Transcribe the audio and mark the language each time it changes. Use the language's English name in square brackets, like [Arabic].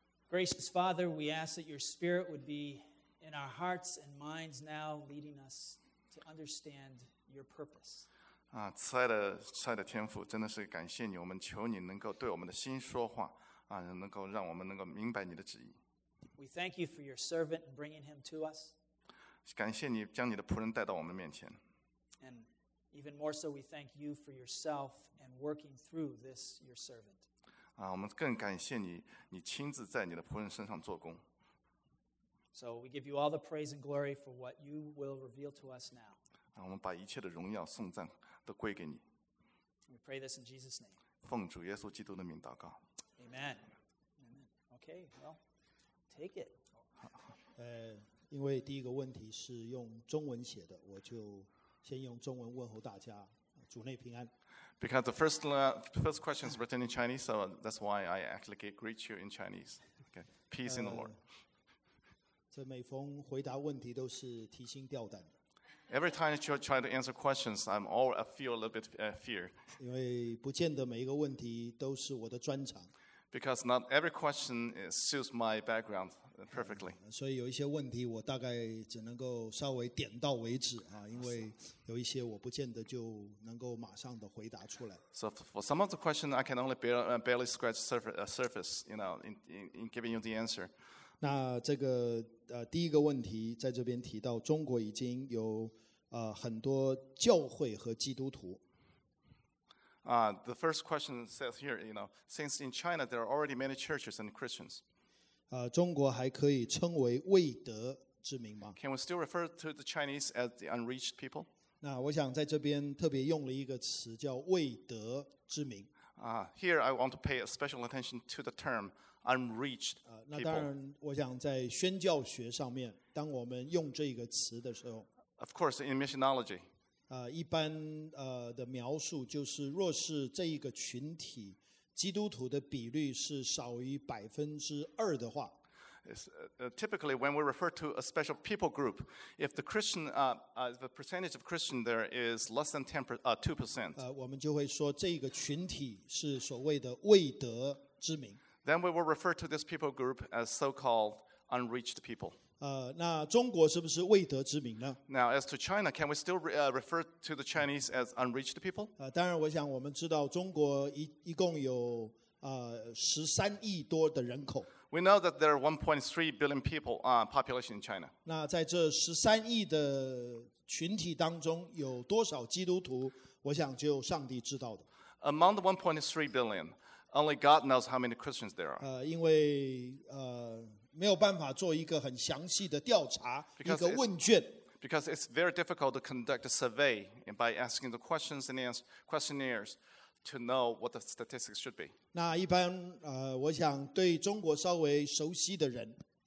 [English] Gracious Father, we ask that your Spirit would be in our hearts and minds now, leading us to understand your purpose. [Chinese] 慈爱的天父，真的是感谢你，我们求你能够对我们的心说话，能够让我们能够明白你的旨意。 [English] We thank you for your servant and bringing him to us. [Chinese] 感谢你将你的仆人带到我们面前。 [English] And even more so, we thank you for yourself and working through this, your servant. [Chinese] 我们更感谢你，你亲自在你的仆人身上做工。 [English] So we give you all the praise and glory for what you will reveal to us now. [Chinese] 我们把一切的荣耀、颂赞都归给你。 [English] We pray this in Jesus' name. [Chinese] 奉主耶稣基督的名祷告。 [English] Amen. Amen. Okay, well, take it. [Chinese] 因为第一个问题是用中文写的，我就先用中文问候大家，主内平安。 [English] Because the first question is written in Chinese, so that's why I actually greet you in Chinese. Okay, peace in the Lord. [Chinese] 这每逢回答问题都是提心吊胆的。 [English] Every time you try to answer questions, I'm all I feel a little bit fear. [Chinese] 因为不见得每一个问题都是我的专长。 [English] Because not every question suits my background perfectly. [Chinese] 所以有一些问题我大概只能够稍微点到为止啊，因为有一些我不见得就能够马上的回答出来。 [English] So for some of the questions, I can only barely scratch surface, you know, in giving you the answer. [Chinese] 那这个第一个问题在这边提到，中国已经有很多教会和基督徒。 [English] The first question says here, you know, since in China there are already many churches and Christians. [Chinese] 中国还可以称为未得之民吗？ [English] Can we still refer to the Chinese as the unreached people? [Chinese] 那我想在这边特别用了一个词叫未得之民。 [English] Here I want to pay a special attention to the term unreached people. [Chinese] 那当然，我想在宣教学上面，当我们用这个词的时候 [English] ，Of course, in missionology. [Chinese] 一般的描述就是，若是这一个群体基督徒的比率是少于2%的话 [English] ，typically when we refer to a special people group, if the Christian the percentage of Christian there is less than 2%, [Chinese] 我们就会说这个群体是所谓的未得之民。 [English] Then we will refer to this people group as so-called unreached people. [Chinese] 那中国是不是未得之民呢 [English] ？Now, as to China, can we still refer to the Chinese as unreached people? [Chinese] 当然，我想我们知道中国一共有13亿多的人口。 [English] We know that there are 1.3 billion people, population in China. [Chinese] 那在这十三亿的群体当中，有多少基督徒？我想就上帝知道的。 [English] Among the 1.3 billion, only God knows how many Christians there are. [Chinese] 因为没有办法做一个很详细的调查，一个问卷。 [English] Because it's very difficult to conduct a survey by asking the questions and questionnaires to know what the statistics should be. [Chinese] 那一般我想对中国稍微熟悉的人